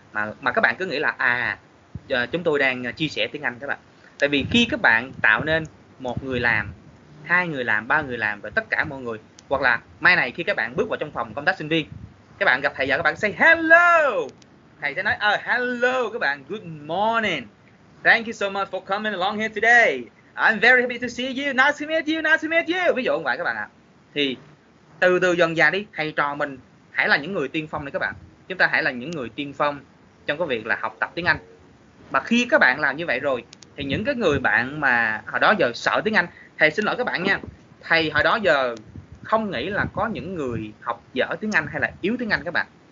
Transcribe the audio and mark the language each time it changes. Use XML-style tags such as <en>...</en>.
<vi>Mà các bạn cứ nghĩ là à, chúng tôi đang chia sẻ tiếng Anh các bạn. Tại vì khi các bạn tạo nên một người làm, hai người làm, ba người làm và tất cả mọi người, hoặc là mai này khi các bạn bước vào trong phòng công tác sinh viên, các bạn gặp thầy giáo các bạn</vi> <en>say hello.</en> <vi>Thầy sẽ nói hello các bạn,</vi> <en>good morning. Thank you so much for coming along here today. I'm very happy to see you. Nice to meet you.</en> <vi>Ví dụ như vậy các bạn ạ. Thì từ từ dần dà đi, thầy trò mình hãy là những người tiên phong đi các bạn. Chúng ta hãy là những người tiên phong trong cái việc là học tập tiếng Anh. Mà khi các bạn làm như vậy rồi thì những cái người bạn mà hồi đó giờ sợ tiếng Anh, thầy xin lỗi các bạn nha, thầy hồi đó giờ không nghĩ là có những người học dở tiếng Anh hay là yếu tiếng Anh các bạn.</vi>